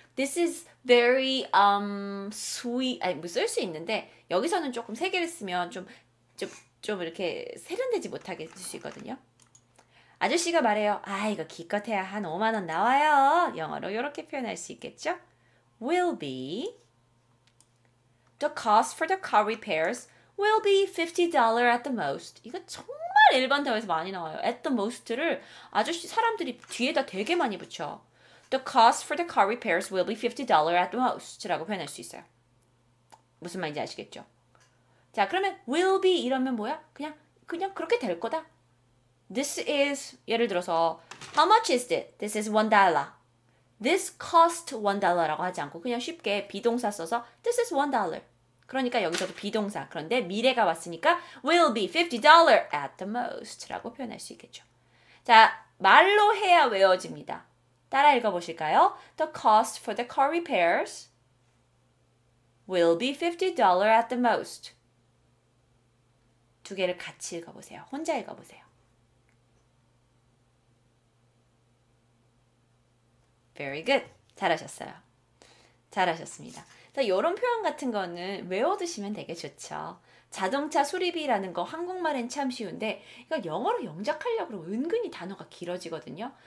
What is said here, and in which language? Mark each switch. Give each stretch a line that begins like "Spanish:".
English: This is very sweet.
Korean: 아니, 뭐 쓸 수 있는데 여기서는 조금 3개를 쓰면 좀 이렇게 세련되지 못하게 쓸 수 있거든요. 아저씨가 말해요. 아, 이거 기껏해야 한 5만 원 나와요. 영어로 이렇게 표현할 수 있겠죠?
English: Will be the cost for the car repairs will be $50 at the most.
Korean: 이거 정말 일반 대화에서 많이 나와요.
English: At the most
Korean: 를 아저씨 사람들이 뒤에다 되게 많이 붙여.
English: The cost for the car repairs will be $50 at the most
Korean: 라고 표현할 수 있어요. 무슨 말인지 아시겠죠? 자, 그러면
English: will be
Korean: 이러면 뭐야? 그냥 그렇게 될 거다.
English: This is
Korean: 예를 들어서
English: how much is it? This is $1. This cost $1
Korean: 라고 하지 않고 그냥 쉽게 비동사 써서
English: This is $1.
Korean: 그러니까 여기서도 비동사. 그런데 미래가 왔으니까
English: will be $50 at the most
Korean: 라고 표현할 수 있겠죠. 자, 말로 해야 외워집니다. 따라 읽어보실까요?
English: The cost for the car repairs will be $50 at the most.
Korean: 두 개를 같이 읽어보세요. 혼자 읽어보세요.
English: Very good.
Korean: 잘하셨어요. 잘하셨습니다. 이런 표현 같은 거는 외워두시면 되게 좋죠. 자동차 수리비라는 거 한국말엔 참 쉬운데 이거 영어로 영작하려고 은근히 단어가 길어지거든요.